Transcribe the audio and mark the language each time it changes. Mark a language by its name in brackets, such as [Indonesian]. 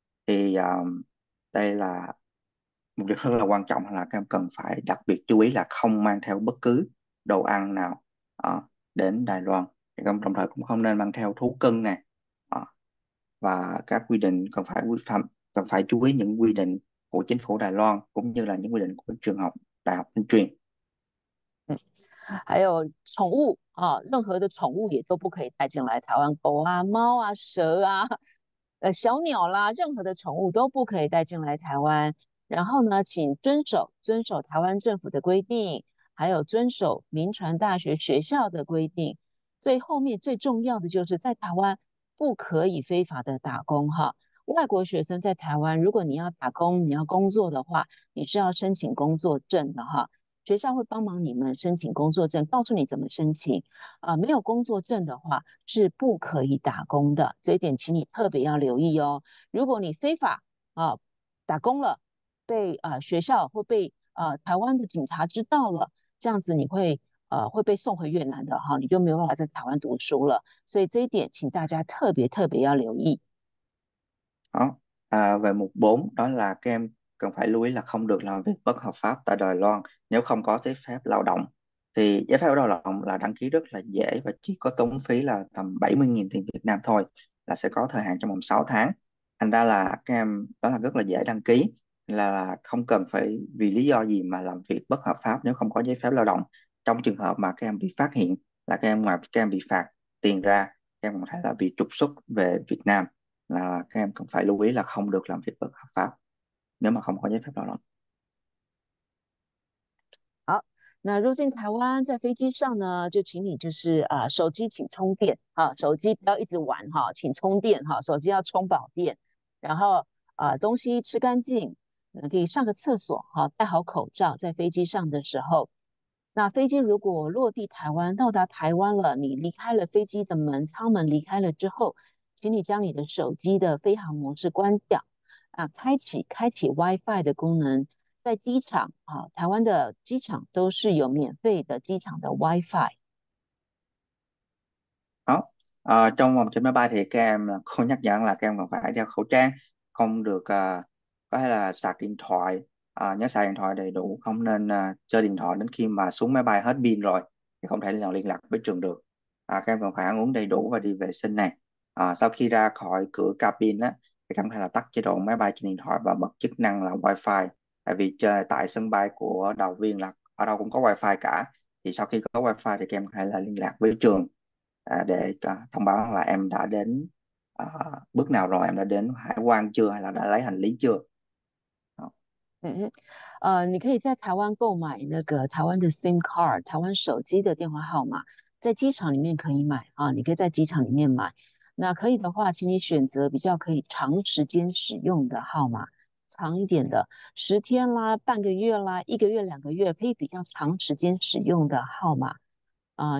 [Vietnamese] Thì đây là một điều rất là quan trọng, là các em cần phải đặc biệt chú ý là không mang theo bất cứ đồ ăn nào đến Đài Loan. Các em đồng thời cũng không nên mang theo thú cưng này, và các quy định cần phải chú ý những quy định của chính phủ Đài Loan cũng như là những quy định của trường học Đại học Minh Truyền. [Chinese] 还有宠物啊，任何的宠物也都不可以带进来台湾，狗啊、猫啊、蛇啊、小鸟啦，任何的宠物都不可以带进来台湾。然后呢，请遵守台湾政府的规定，还有遵守明传大学学校的规定。最后面最重要的就是在台湾不可以非法的打工哈。外国学生在台湾，如果你要打工、你要工作的话，你是要申请工作证的哈。学校会帮忙你们申请工作证，告诉你怎么申请。没有工作证的话是不可以打工的，这一点请你特别要留意哦。如果你非法打工了，被学校或被台湾的警察知道了，这样子你会被送回越南的哈，你就没有办法在台湾读书了。所以这一点请大家特别特别要留意。 [Vietnamese] Đó. Về mục 4 đó là các em cần phải lưu ý là không được làm việc bất hợp pháp tại Đài Loan nếu không có giấy phép lao động. Thì giấy phép lao động là đăng ký rất là dễ và chỉ có tốn phí là tầm 70.000 tiền Việt Nam thôi, là sẽ có thời hạn trong vòng 6 tháng. Thành ra là các em đó là rất là dễ đăng ký, là không cần phải vì lý do gì mà làm việc bất hợp pháp nếu không có giấy phép lao động. Trong trường hợp mà các em bị phát hiện là các em ngoài các em bị phạt tiền ra, các em có thể là bị trục xuất về Việt Nam. là các em cần phải lưu ý là không được làm việc bất hợp pháp nếu mà không có giấy phép lao động. [Chinese] 那入境台湾，在飞机上呢，就请你就是手机请充电啊，手机不要一直玩哈，请充电哈，手机要充饱电。然后东西吃干净，可以上个厕所哈，戴好口罩。在飞机上的时候，那飞机如果落地台湾，到达台湾了，你离开了飞机的门，舱门离开了之后，请你将你的手机的飞行模式关掉啊，开启 WiFi 的功能。在机场啊，台湾的机场都是有免费的机场的 WiFi。 [Vietnamese] Trong vòng trên máy bay thì các em không nhắc nhở là các em còn phải đeo khẩu trang, không được có thể là sạc điện thoại, nhớ xài điện thoại đầy đủ, không nên chơi điện thoại đến khi mà xuống máy bay hết pin rồi thì không thể nào liên lạc với trường được. Các em còn phải ăn uống đầy đủ và đi vệ sinh này. Sau khi ra khỏi cửa cabin á thì các em phải là tắt chế độ máy bay trên điện thoại và bật chức năng là wifi, tại vì tại sân bay của đầu viên là ở đâu cũng có wifi cả, thì sau khi có wifi thì các em phải là liên lạc với trường để thông báo là em đã đến bước nào rồi, em đã đến hải quan chưa hay là đã lấy hành lý chưa. [Chinese] 你可以在台湾购买那个台湾的 SIM card，台湾手机的电话号码，在机场里面可以买啊。你可以在机场里面买。那可以的话，请你选择比较可以长时间使用的号码，长一点的，10天啦、半个月啦、1个月、2个月，可以比较长时间使用的号码啊。